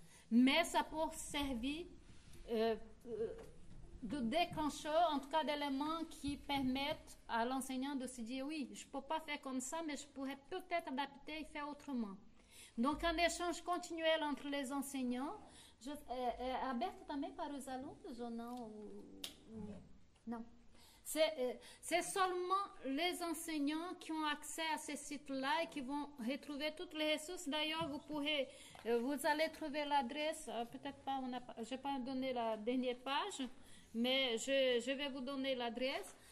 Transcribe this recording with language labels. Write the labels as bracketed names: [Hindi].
[French] Mais ça peut servir de déclencheur, en tout cas d'éléments qui permettent à l'enseignant de se dire « Oui, je ne peux pas faire comme ça, mais je pourrais peut-être adapter et faire autrement. » Donc, un échange continuel entre les enseignants. [Portuguese] Aberto também para os alunos ou não? [French] Non. C'est seulement les enseignants qui ont accès à ces sites-là et qui vont retrouver toutes les ressources. D'ailleurs, vous allez trouver l'adresse. Peut-être pas, je n'ai pas donné la dernière page, mais je vais vous donner l'adresse.